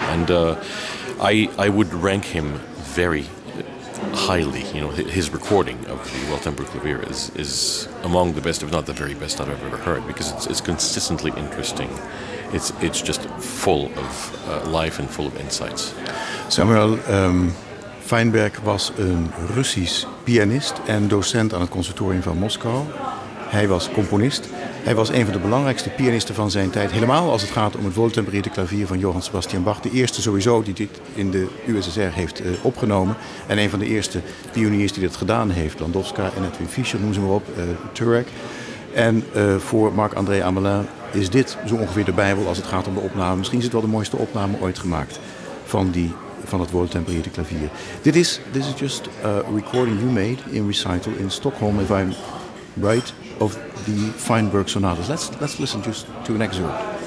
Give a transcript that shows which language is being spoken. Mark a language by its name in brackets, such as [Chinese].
[English] And I would rank him very highly. You know, his recording of the Well-Tempered Clavier is among the best, if not the very best, that I've ever heard, because it's consistently interesting. It's just full of life and full of insights. [Dutch] Samuel Feinberg was een Russisch pianist en docent aan het conservatorium van Moskou. Hij was componist. Hij was een van de belangrijkste pianisten van zijn tijd. Helemaal als het gaat om het Well-Tempered Clavier van Johann Sebastian Bach. De eerste sowieso die dit in de USSR heeft opgenomen. En een van de eerste pioniers die dat gedaan heeft. Landowska en Edwin Fischer, noem ze maar op, Turek. En voor Marc-André Amelin is dit zo ongeveer de Bijbel als het gaat om de opname. Misschien is het wel de mooiste opname ooit gemaakt van die van het Well-Tempered Clavier. [English] This is just a recording you made in recital in Stockholm, if I'm right, of the Feinberg sonatas. Let's listen just to an excerpt.